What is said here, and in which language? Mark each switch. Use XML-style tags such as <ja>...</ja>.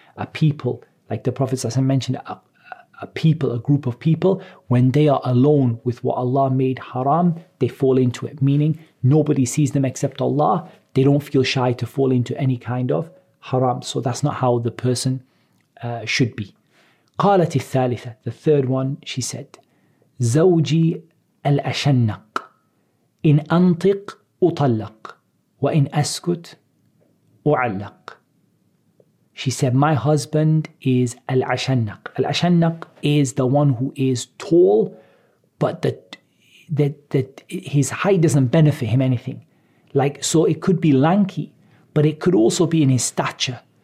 <en>A people, like the Prophet ﷺ mentioned, a group of people, when they are alone with what Allah made haram, they fall into it. Meaning, nobody sees them except Allah. They don't feel shy to fall into any kind of haram. So that's not how the person should be.</en> <ar>قالت الثالثة,</ar> <en>the third one, she said,</en> <ar>زوجي الأشنق إن أنطق أطلق وإن أسكت أعلق.</ar> <en>She said, my husband is al-ashannaq. Al-ashannaq is the one who is tall, but that his height doesn't benefit him anything. Like, so it could be lanky, but it could also be in his stature.</en>